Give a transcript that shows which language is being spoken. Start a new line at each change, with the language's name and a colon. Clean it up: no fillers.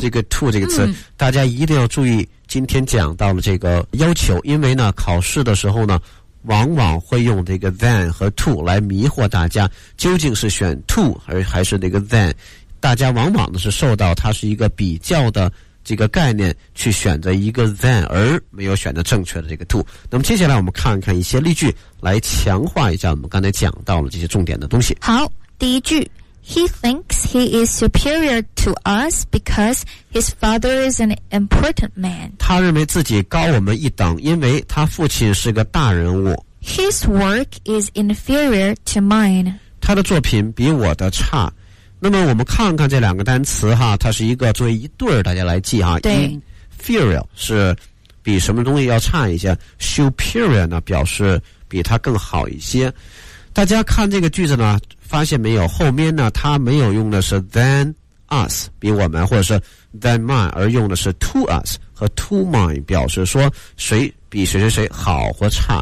Chinese: 这个 to 这个词，大家一定要注意，今天讲到了这个要求，因为呢，考试的时候呢，往往会用这个 than 和 to 来迷惑大家，究竟是选 to 还是那个 than， 大家往往呢是受到它是一个比较的这个概念去选择一个 than 而没有选择正确的这个 to。那么接下来我们看看一些例句来强化一下我们刚才讲到了这些重点的东西。好，第一句，
English: He thinks he is superior to us because his father is an important man.
Chinese: 他认为自己高我们一等，因为他父亲是个大人物。
English: His work is inferior to mine.
Chinese: 他的作品比我的差。那么我们看看这两个单词哈，它是一个作为一对儿大家来记哈。对，inferior 是比什么东西要差一些 ，superior 呢表示比它更好一些。大家看这个句子呢，发现没有？后面呢它没有用的是
English: than us
Chinese: 比我们，或者是
English: than mine，
Chinese: 而用的是
English: to us
Chinese: 和
English: to mine，
Chinese: 表示说谁比谁谁谁好或差。